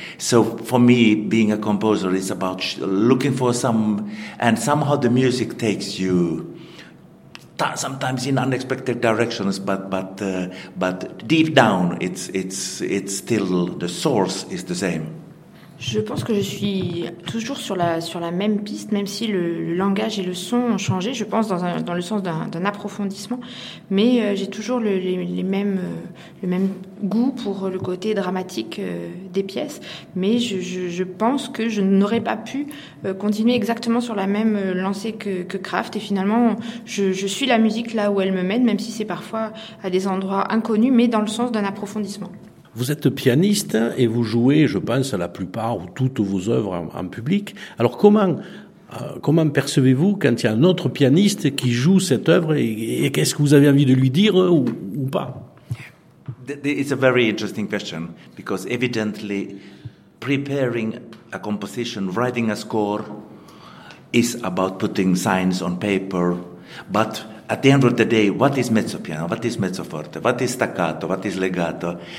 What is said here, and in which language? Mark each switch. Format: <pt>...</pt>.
<en>So for me, being a composer is about looking for some, and somehow the music takes you sometimes in unexpected directions, but deep down it's still, the source is the same.</en> <fr>Je pense que je suis toujours sur la même piste, même si le langage et le son ont changé, je pense dans le sens d'un approfondissement, mais j'ai toujours le même goût pour le côté dramatique des pièces, mais je pense que je n'aurais pas pu continuer exactement sur la même lancée que Kraft, et finalement je suis la musique là où elle me mène, même si c'est parfois à des endroits inconnus, mais dans le sens d'un approfondissement. Vous êtes pianiste et vous jouez, je pense, à la plupart ou toutes vos œuvres en public. Alors comment percevez-vous quand il y a un autre pianiste qui joue cette œuvre et qu'est-ce que vous avez envie de lui dire ou pas?</fr> <en>It's a very interesting question because evidently preparing a composition, writing a score, is about putting signs on paper, but at the end of the day, what is mezzo piano? What is mezzo forte? What is staccato? What is legato?</en>